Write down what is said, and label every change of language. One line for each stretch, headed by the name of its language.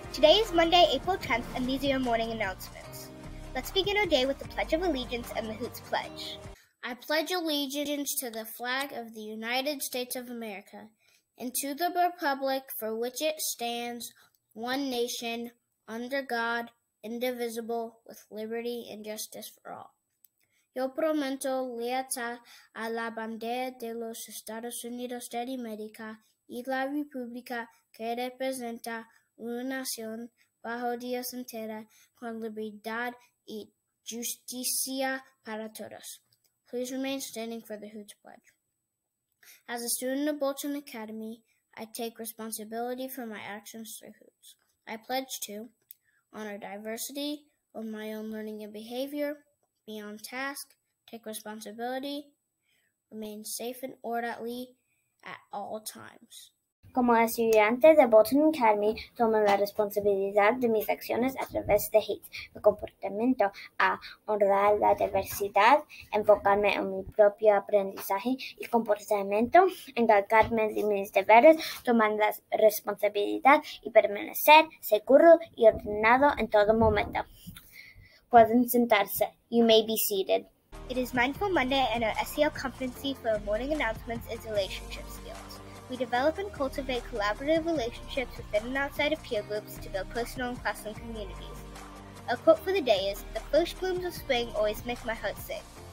English: Today is Monday, April 10th, and these are your morning announcements. Let's begin our day with the Pledge of Allegiance and the Hoots Pledge. I pledge allegiance to the flag of the United States of America, and to the republic for which it stands, one nation, under God, indivisible, with liberty and justice for all.
Spanish: Yo prometo lealtad a la bandera de los Estados Unidos de América y la República que representa una nación bajo Dios entera con libertad y justicia para todos.
English: Please remain standing for the Hoots Pledge. As a student of Bolton Academy, I take responsibility for my actions through Hoots. I pledge to honor diversity of my own learning and behavior, be on task, take responsibility, remain safe and orderly at all times.
Spanish: Como estudiante de Bolton Academy, tomo la responsabilidad de mis acciones a través de Hoots, mi comportamiento a honrar la diversidad, enfocarme en mi propio aprendizaje y comportamiento, encargarme de mis deberes, tomar la responsabilidad y permanecer seguro y ordenado en todo momento. Pueden sentarse.
English: You may be seated. It is Mindful Monday, and our SEL competency for morning announcements is relationship skills. We develop and cultivate collaborative relationships within and outside of peer groups to build personal and classroom communities. A quote for the day is, "The first blooms of spring always make my heart sing."